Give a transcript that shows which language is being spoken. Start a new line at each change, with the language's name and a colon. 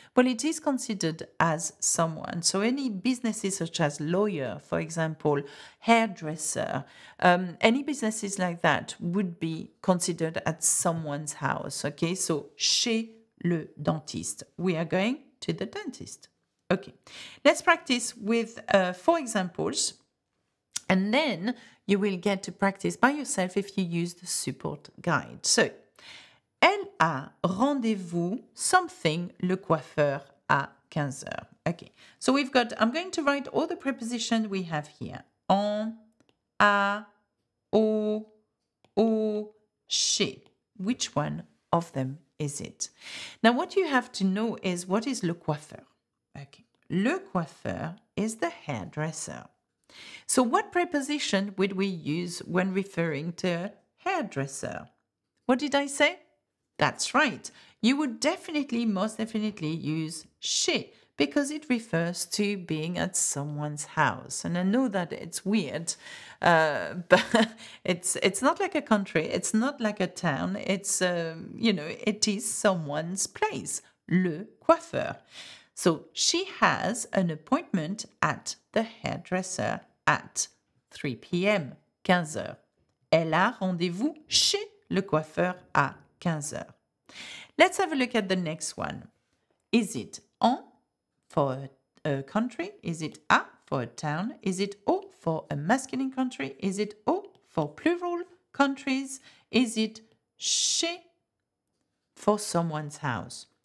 English: Well, it is considered as someone. So any businesses such as lawyer, for example, hairdresser, any businesses like that would be considered at someone's house, okay? So
French: chez le dentiste,
English: we are going to the dentist. Okay, let's practice with four examples, and then you will get to practice by yourself if you use the support guide.
French: So, elle a rendez-vous
English: something
French: le coiffeur à 15h.
English: Okay, so we've got, I'm going to write all the prepositions we have here.
French: En, à, au, chez.
English: Which one of them is it? Now, what you have to know is what is le coiffeur? Okay. Le coiffeur is the hairdresser. So what preposition would we use when referring to a hairdresser? What did I say? That's right. You would definitely, most definitely use chez because it refers to being at someone's house. And I know that it's weird, but it's not like a country. It's not like a town. It's, it is someone's place. Le coiffeur. So she has an appointment at the hairdresser at 3 p.m., 15h.
French: Elle a rendez-vous chez le coiffeur à 15h.
English: Let's have a look at the next one. Is it en for a country? Is it à for a town? Is it au for a masculine country? Is it au for plural countries? Is it chez for someone's house?